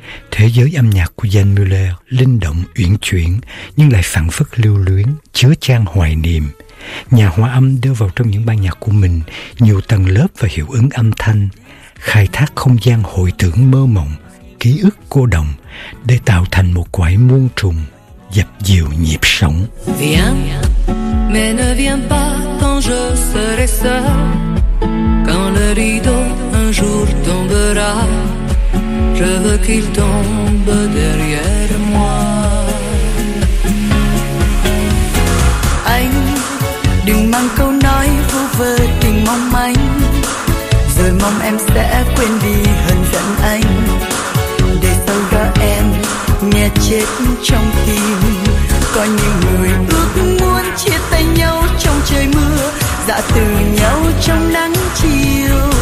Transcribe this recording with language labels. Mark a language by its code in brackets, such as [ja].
[vi] Thế giới âm nhạc của Jan Muller linh động uyển chuyển nhưng lại phảng phất lưu luyến, chứa chan hoài niệm. Nhà hòa âm đưa vào trong những bài nhạc của mình nhiều tầng lớp và hiệu ứng âm thanh, khai thác không gian hồi tưởng mơ mộng, ký ức cô đồng để tạo thành một quải muôn trùng dập dìu nhịp sống. [fr] Viens, mais ne viens pas quand je serai seul. Quand le rideau un jour tombera, je veux qu'il tombe derrière moi. [vi] Anh, đừng mang câu nói vu vơ tình mong manh. Rồi mong em sẽ quên đi hờn giận anh. Nghe chết trong tim, có những người ước muốn chia tay nhau trong trời mưa, dạ từ nhau trong nắng chiều.